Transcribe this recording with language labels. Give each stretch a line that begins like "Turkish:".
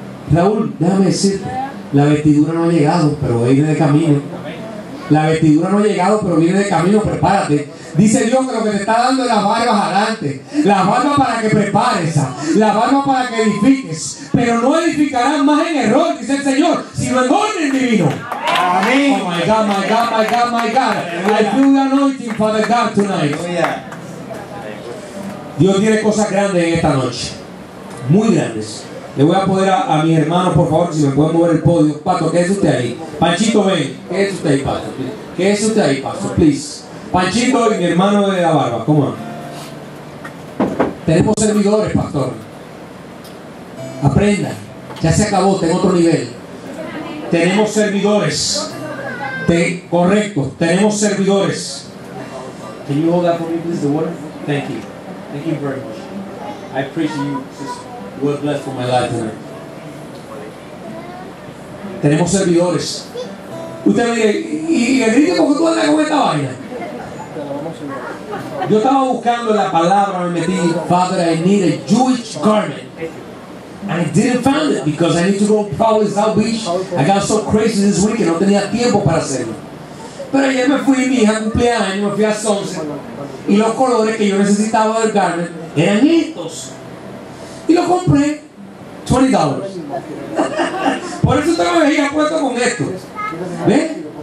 Spanish: Raúl, déjame decirte, la vestidura no ha llegado, pero viene de camino. La vestidura no ha llegado, pero viene de camino, prepárate. Dice Dios que lo que te está dando es las barbas adelante. Las barbas para que prepares. Las barbas para que edifiques. Pero no edificarán más en error, dice el Señor, sino en orden divino. Amén.
English: Oh my God, my God, my God, my God. Aleluya. I feel the anointing, Father God, tonight.
Spanish: Aleluya. Dios tiene cosas grandes en esta noche. Muy grandes. Le voy a poder a mis hermanos, por favor, si me pueden mover el podio. Pato, quédese usted ahí. Panchito, ven. Quédese usted ahí, Pato. Quédese usted ahí, Pato, please. Panchito y mi hermano de la barba, ¿cómo va? Tenemos servidores, pastor. Aprenda. Ya se acabó, tengo otro nivel. Tenemos servidores. Correcto, tenemos servidores.
English: Can you hold that for me, please, the water? Thank you. Thank you very much. I appreciate you, sister. God bless for my life.
Spanish: Tenemos servidores. Usted me dice, ¿y Enrique, por qué tú andas con esta vaina? Yo estaba buscando la palabra, me metí,
English: Father, I need a Jewish garment. And I didn't find it because I need to go probably South Beach. I got so crazy this week and
Spanish: no tenía tiempo para hacerlo. Pero ayer me fui, mi hija cumpleaños, me fui a Sonsen. Y los colores que yo necesitaba del garment eran estos. Y lo compré $20. Por eso tengo que ir a cuento con esto. ¿Ves?